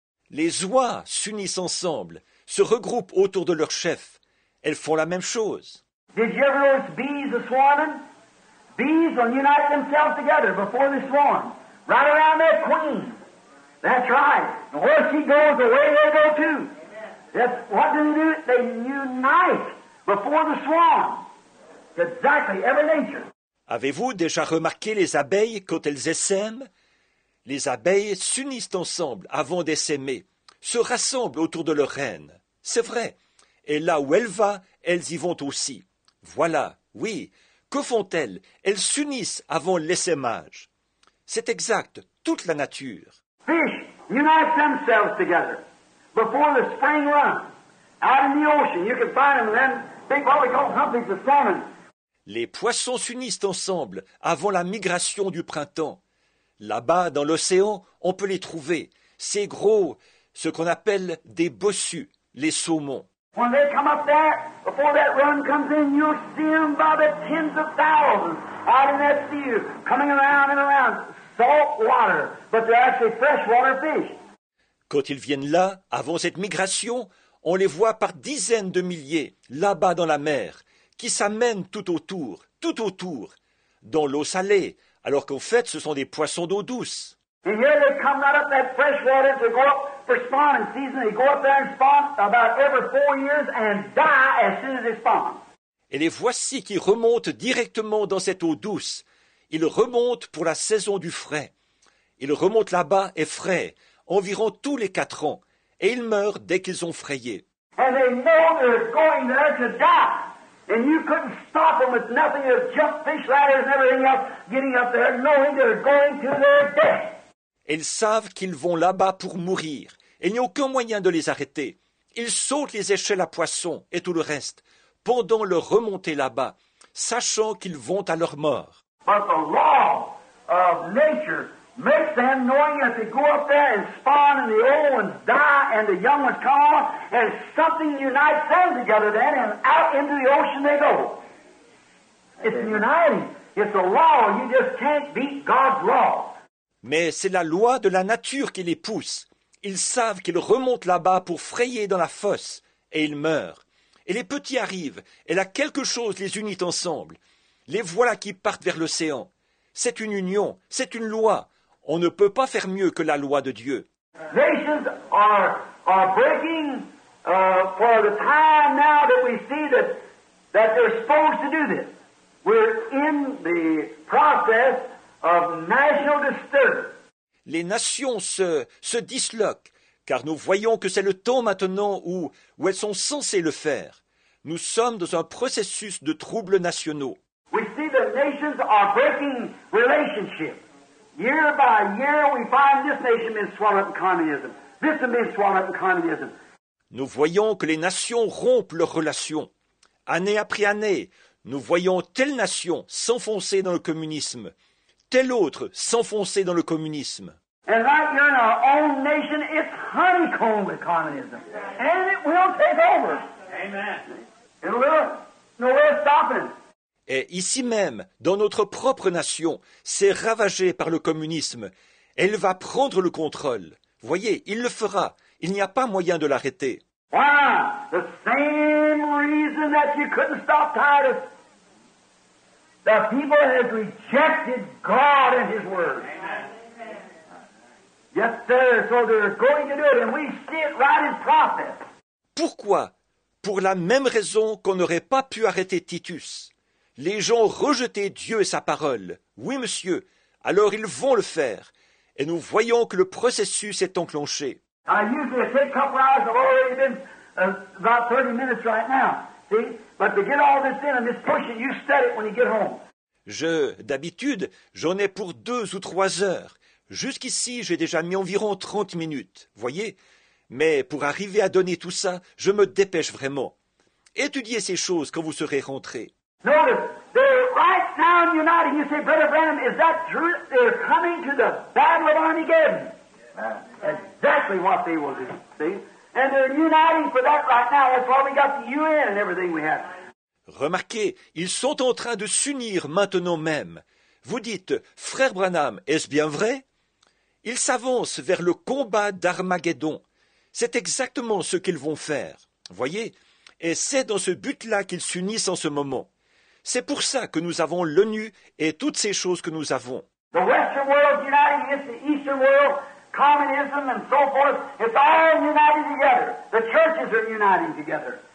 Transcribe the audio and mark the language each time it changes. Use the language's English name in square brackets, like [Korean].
[French] Les oies s'unissent ensemble, se regroupent autour de leur chef. Elles font la même chose. [English] Did you ever notice bees swarming? Bees will unite themselves together before they swarm, right around their queen. That's right. And where she goes, away they go too. That's, what do they do? They unite before the swarm. Exactly, every nature. [French] Avez-vous déjà remarqué les abeilles quand elles essaiment? Les abeilles s'unissent ensemble avant d'essaimer, se rassemblent autour de leur reine. C'est vrai. Et là où elle va, elles y vont aussi. Voilà, oui. Que font-elles? Elles s'unissent avant l'essaimage. C'est exact, toute la nature. [English] Fish unite themselves together before the spring run. Out in the ocean, you can find them then. Think what we call humpies, the salmon. [French] Les poissons s'unissent ensemble avant la migration du printemps. Là-bas, dans l'océan, on peut les trouver. C'est gros, ce qu'on appelle des bossus, les saumons. [English] When they come up there, before that run comes in, you'll see them by the tens of thousands out in that sea, coming around and around. Salt water, but they're actually freshwater fish. [French] Quand ils viennent là, avant cette migration, on les voit par dizaines de milliers, là-bas dans la mer, qui s'amènent tout autour, dans l'eau salée, alors qu'en fait, ce sont des poissons d'eau douce. [English] And here they come right up that fresh water to go up for spawning season. They go up there and spawn about every 4 years and die as soon as they spawn. [French] Et les voici qui remontent directement dans cette eau douce. Ils remontent pour la saison du frais. Ils remontent là-bas et frais, environ tous les 4 ans. Et ils meurent dès qu'ils ont frayé. [English] And they know they're going there to die. And you couldn't stop them with nothing, with jump fish ladders and everything else, getting up there knowing they're going to their death. [French] Ils savent qu'ils vont là-bas pour mourir. Il n'y a aucun moyen de les arrêter. Ils sautent les échelles à poissons et tout le reste pendant leur remontée là-bas, sachant qu'ils vont à leur mort. [English] But the law of nature makes them knowing that they go up there and spawn and the old ones die and the young ones come on and something unites them together then and out into the ocean they go. It's uniting. It's a law. You just can't beat God's law. [French] Mais c'est la loi de la nature qui les pousse. Ils savent qu'ils remontent là-bas pour frayer dans la fosse, et ils meurent. Et les petits arrivent, et là quelque chose les unit ensemble. Les voilà qui partent vers l'océan. C'est une union, c'est une loi. On ne peut pas faire mieux que la loi de Dieu. [English] Nations are breaking for the time now that we see that they're supposed to do this. We're in the process. Of national disturbance. [French] Les nations se disloquent, car nous voyons que c'est le temps maintenant où elles sont censées le faire. Nous sommes dans un processus de troubles nationaux. [English] We see the nations are breaking relationships. Year by year, we find this nation being swallowed in communism. This one being swallowed in communism. [French] Nous voyons que les nations rompent leurs relations. Année après année, nous voyons telle nation s'enfoncer dans le communisme. Tel autre s'enfoncer dans le communisme. [English] And right here in our own nation, it's honeycombed with communism. And it will take over. Amen. It will. No way of stopping. [French] Et ici même, dans notre propre nation, c'est ravagé par le communisme. Elle va prendre le contrôle. Voyez, il le fera. Il n'y a pas moyen de l'arrêter. [English] Why? The same reason that you couldn't stop Titus. The people have rejected God and His Word. Amen. Yes, sir. So they're going to do it, and we see it right in process. [French] Pourquoi? Pour la même raison qu'on n'aurait pas pu arrêter Titus. Les gens rejetaient Dieu et sa parole. Oui, monsieur. Alors ils vont le faire. Et nous voyons que le processus est enclenché. [English] I usually say a couple hours have already been about 30 minutes right now. See? But to get all this in and this pushing, you said it when you get home. [French] D'habitude, j'en ai pour 2 ou 3 heures. Jusqu'ici, j'ai déjà mis environ 30 minutes, voyez. Mais pour arriver à donner tout ça, je me dépêche vraiment. Étudiez ces choses quand vous serez rentré. [English] Notice, they're right now uniting. You say, Brother Branham, is that true? They're coming to the Battle of Armageddon. Exactly what they will do, see? And they're uniting for that right now. That's why we got the UN and everything we have. [French] Remarquez, ils sont en train de s'unir maintenant même. Vous dites, frère Branham, est-ce bien vrai? Ils s'avancent vers le combat d'Armageddon. C'est exactement ce qu'ils vont faire, voyez? Et c'est dans ce but-là qu'ils s'unissent en ce moment. C'est pour ça que nous avons l'ONU et toutes ces choses que nous avons. [English] The Western world is united against the Eastern world, communism and so forth. It's all united together. The churches are uniting together.